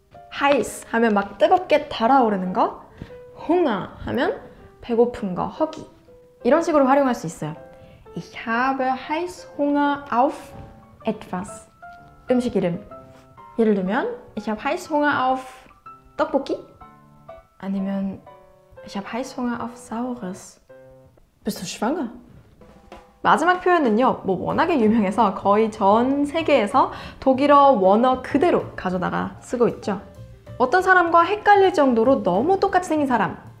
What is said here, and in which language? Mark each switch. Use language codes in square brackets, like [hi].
[ko] 하이스 홍아 하면 막 뜨겁게 달아오르는 거. 홍아 하면 배고픈 거, 허기. 이런 식으로 활용할 수 있어요. [de] Ich habe Heißhunger auf etwas. [ko] 음식 이름. 예를 들면 [de] Ich habe Heißhunger auf 떡볶이? 아니면 Ich habe Heißhunger auf Saures. Bist du schwanger? [ko] 마지막 표현은요, 뭐 워낙에 유명해서 거의 전 세계에서 독일어 원어 그대로 가져다가 쓰고 있죠. 어떤 사람과 헷갈릴 정도로 너무 똑같이 생긴 사람.